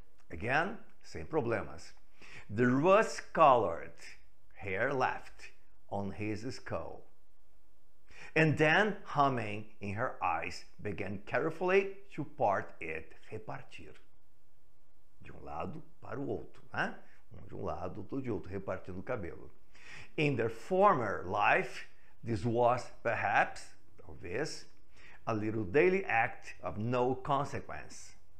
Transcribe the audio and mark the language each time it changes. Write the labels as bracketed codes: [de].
[en] Again, same problemas. The rust-colored hair left on his skull. And then, humming in her eyes, began carefully to part it, [pt] repartir. De um lado para o outro, né? De um lado, outro de outro, repartindo o cabelo. [en] In their former life, this was perhaps, [pt] talvez, [en] a little daily act of no consequence.